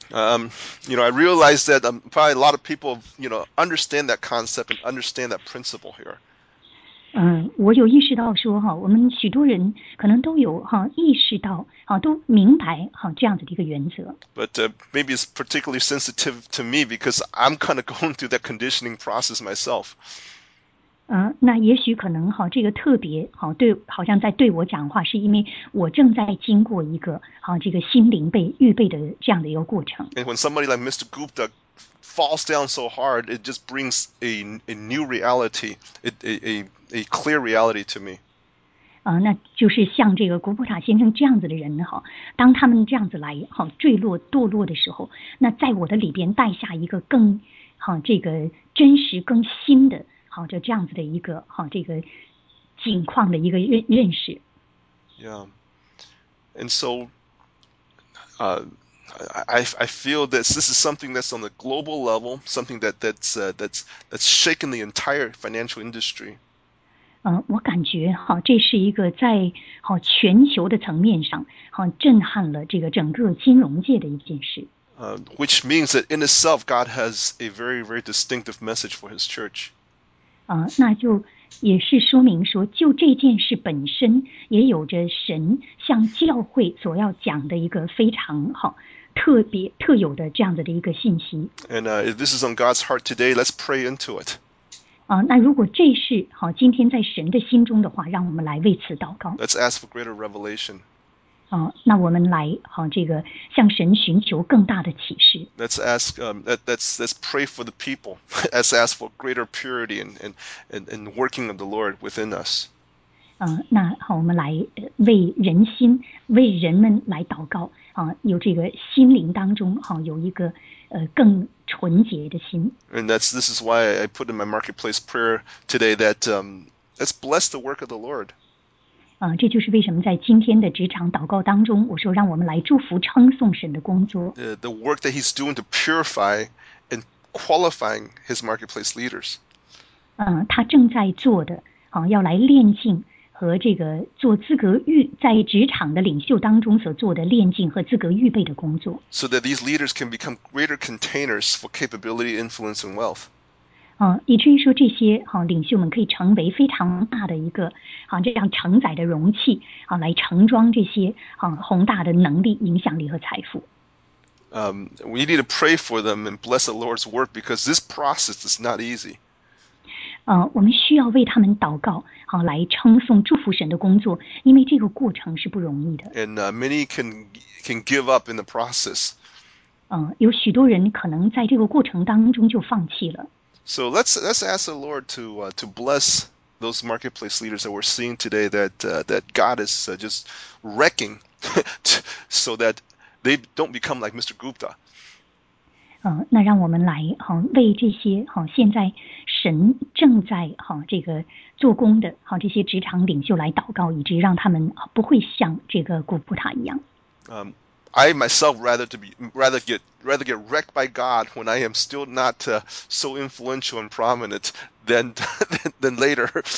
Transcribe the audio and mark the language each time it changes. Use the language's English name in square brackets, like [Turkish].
[English] You know, I realize that probably a lot of people, you know, understand that concept and understand that principle here. [Chinese] 我有意识到说哈，我们许多人可能都有哈意识到啊，都明白哈这样子的一个原则。 [English] But maybe it's particularly sensitive to me because I'm kind of going through that conditioning process myself. [Chinese] 那也许可能哈，这个特别哈对，好像在对我讲话，是因为我正在经过一个哈这个心灵被预备的这样的一个过程。 [English] And when somebody like Mr. Gupta falls down so hard, it just brings a new reality, a clear reality to me. [Chinese] 那就是像这个古普塔先生这样子的人哈，当他们这样子来哈坠落堕落的时候，那在我的里边带下一个更哈这个真实更新的。好，就这样子的一个好这个境况的一个认识。 [English] Yeah, and so, I feel that this is something that's on the global level, something that's shaken the entire financial industry. [Chinese] 我感觉好，这是一个在好全球的层面上好震撼了这个整个金融界的一件事。 [English] Which means that in itself, God has a very very distinctive message for His church. [Chinese] 那就也是说明说，就这件事本身也有着神向教会所要讲的一个非常好、特别特有的这样子的一个信息。 [English] And if this is on God's heart today, let's pray into it. [Chinese] 那如果这是好今天在神的心中的话，让我们来为此祷告。 [English] Let's ask for greater revelation. [Chinese] 那我们来好这个向神寻求更大的启示。 [English] Let's ask, let's pray for the people. Let's ask for greater purity and working of the Lord within us. [Chinese] 那好，我们来为人心、为人们来祷告啊，有这个心灵当中好有一个更纯洁的心。 [English] And this is why I put in my marketplace prayer today that let's bless the work of the Lord. [Chinese] 这就是为什么在今天的职场祷告当中，我说让我们来祝福、称颂神的工作。 [English] The work that He's doing to purify and qualifying His marketplace leaders. [Chinese] 他正在做的，要来炼净和这个做资格预在职场的领袖当中所做的炼净和资格预备的工作。 [English] So that these leaders can become greater containers for capability, influence, and wealth. [Chinese] 以至于说这些领袖们可以成为非常大的一个这样承载的容器来盛装这些宏大的能力、影响力和财富。 [English] We need to pray for them and bless the Lord's work because this process is not easy. [Chinese] 我们需要为他们祷告来称颂、祝福神的工作，因为这个过程是不容易的。 [English] And many can give up in the process. [Chinese] 有许多人可能在这个过程当中就放弃了。 [English] So let's ask the Lord to bless those marketplace leaders that we're seeing today that God is just wrecking so that they don't become like Mr. Gupta. [Chinese] 那让我们来为这些现在神正在这个做工的这些职场领袖来祷告，以至于让他们不会像这个古普塔一样。 [English] I myself rather get wrecked by God when I am still not so influential and prominent than later.